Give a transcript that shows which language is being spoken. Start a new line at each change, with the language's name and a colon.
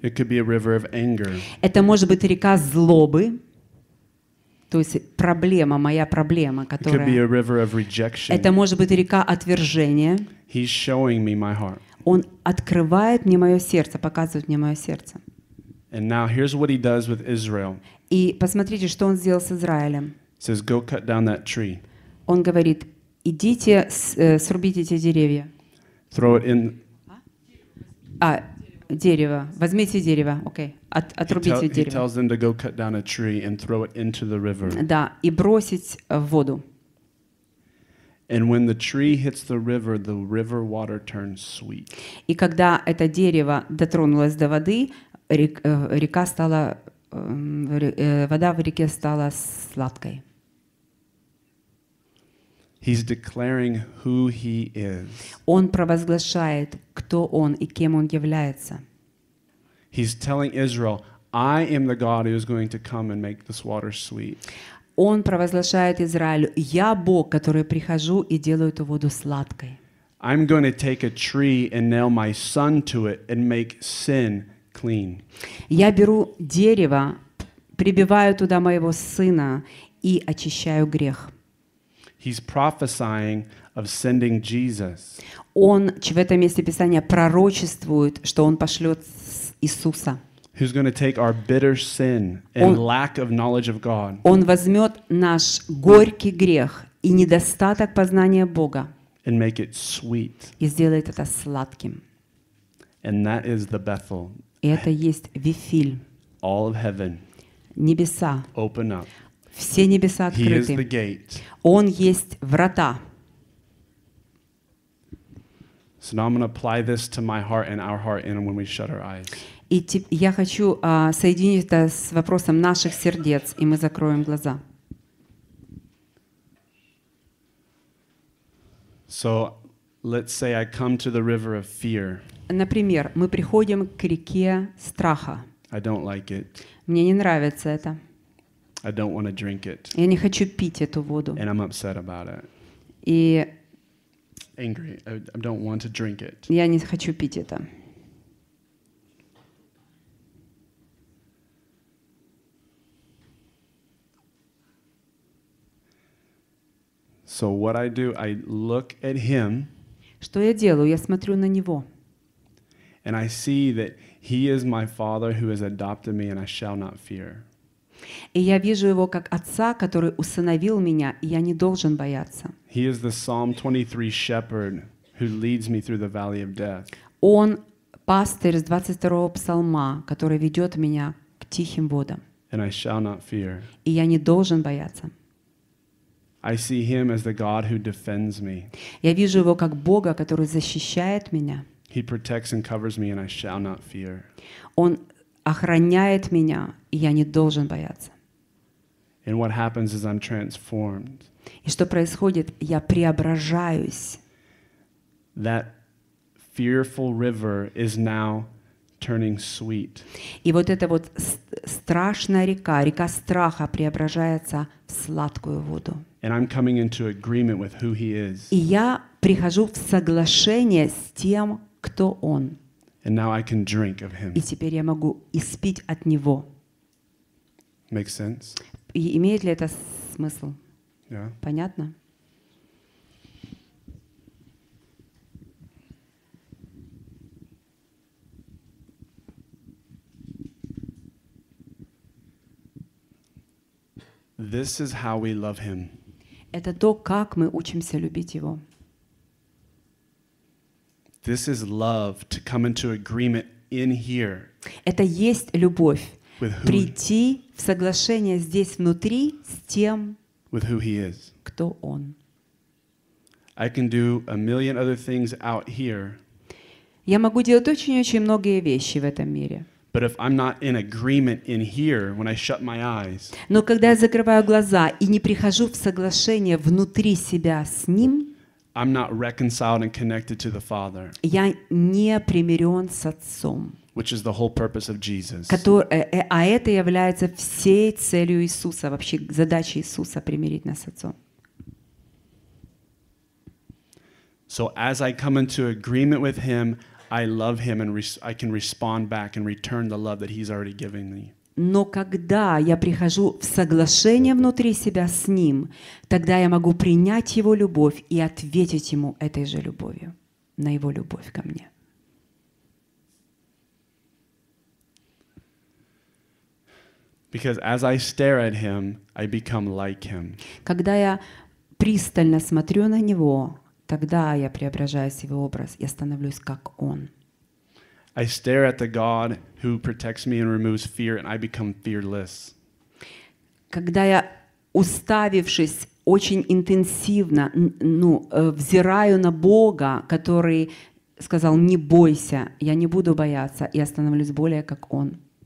English: It could be a river of anger.
Russian: Это может быть река злобы. То есть проблема, моя проблема, которая...
English: It could be a river of rejection.
Russian: Это может быть река отвержения.
English: He's showing me my heart.
Russian: Он открывает мне мое сердце, показывает мне мое сердце.
English: And now here's what he does with Israel.
Russian: И посмотрите, что он сделал с Израилем.
English: He says, go cut down that tree.
Russian: Он говорит, идите, срубите эти деревья.
English: Throw it in.
Russian: Дерево. Возьмите дерево. Окей. Отрубите дерево.
English: He tells them to go cut down a tree and throw it into the river.
Russian: Да, и бросить в воду.
English: And when the tree hits the river water turns sweet.
Russian: И когда это дерево дотронулось до воды, река стала, вода в реке стала сладкой.
English: He's declaring who he is.
Russian: Он провозглашает, кто он и кем он является.
English: He's telling Israel, I am the God who is going to come and make this water sweet.
Russian: он провозглашает Израилю: «Я Бог, который прихожу и делаю эту воду сладкой».
English: I'm going to take a tree and nail my son to it and make sin clean.
Russian: Я беру дерево, прибиваю туда моего сына и очищаю грех.
English: He's prophesying of sending Jesus.
Russian: Он в этом месте Писания пророчествует, что он пошлет Иисуса.
English: Who's going to take our bitter sin and lack of knowledge of God?
Russian: Он возьмет наш горький грех и недостаток познания Бога.
English: And make it sweet.
Russian: И сделает это сладким.
English: And that is the Bethel.
Russian: И это есть Вифиль.
English: All of heaven.
Russian: Небеса.
English: Open up.
Russian: Все небеса открыты.
English: He is the gate.
Russian: Он есть врата.
English: So now I'm going to apply this to my heart and our heart, and when we shut our eyes.
Russian: И я хочу соединить это с вопросом наших сердец, и мы закроем глаза.
English: So, let's say I come to the river of fear.
Russian: Например, мы приходим к реке страха.
English: I don't like it.
Russian: Мне не нравится это.
English: I don't want to drink it.
Russian: Я не хочу пить эту воду.
English: And I'm upset about it.
Russian: И
English: angry. I don't want to drink it.
Russian: Я не хочу пить это.
English: So what I do, I look at him.
Russian: Что я делаю? Я смотрю на него.
English: And I see that he is my father who has adopted me and I shall not fear.
Russian: И я вижу его как отца, который усыновил меня, и я не должен бояться.
English: He is the Psalm 23 shepherd who leads me through the valley of death.
Russian: Он пастырь с 22-го псалма, который ведет меня к тихим водам.
English: And I shall not fear.
Russian: И я не должен бояться.
English: I see him as the God who defends me.
Russian: Я вижу его как Бога, который защищает меня.
English: He protects and covers me and I shall not fear.
Russian: Он охраняет меня, и я не должен бояться.
English: And what happens is I'm transformed.
Russian: И что происходит? Я преображаюсь.
English: That fearful river is now turning sweet.
Russian: И вот эта вот страшная река, река страха, преображается в сладкую воду.
English: And I'm coming into agreement with who he is.
Russian: И я прихожу в соглашение с тем, кто он.
English: And now I can drink of him.
Russian: И теперь я могу испить от него.
English: Makes sense?
Russian: И имеет ли это смысл?
English: Yeah.
Russian: Понятно?
English: This is how we love him.
Russian: Это то, как мы учимся любить его.
English: This is love to come into agreement in here.
Russian: Это есть любовь прийти в соглашение здесь внутри с тем,
English: with who he is.
Russian: Кто он.
English: I can do a million other things out here.
Russian: Я могу делать очень-очень многие вещи в этом мире.
English: But if I'm not in agreement in here when I shut my eyes.
Russian: Но когда я закрываю глаза и не прихожу в соглашение внутри себя с ним,
English: I'm not reconciled and connected to the Father.
Russian: Я не примирён с Отцом.
English: Which is the whole purpose of Jesus.
Russian: А это является всей целью Иисуса, вообще задачей Иисуса примирить нас с Отцом.
English: So as I come into agreement with him, I love him and I can respond back and return the love that he's already given me.
Russian: Но когда я прихожу в соглашение внутри себя с ним, тогда я могу принять его любовь и ответить ему этой же любовью на его любовь ко мне.
English: Because as I stare at him, I become like him.
Russian: Когда я пристально смотрю на него, тогда я преображаюсь в его образ, я становлюсь как он.
English: I stare at the God who protects me and removes fear, and I become fearless.
Russian: Когда я, уставившись очень интенсивно, взираю на Бога, который сказал: «Не бойся, я не буду бояться», я становлюсь более как он.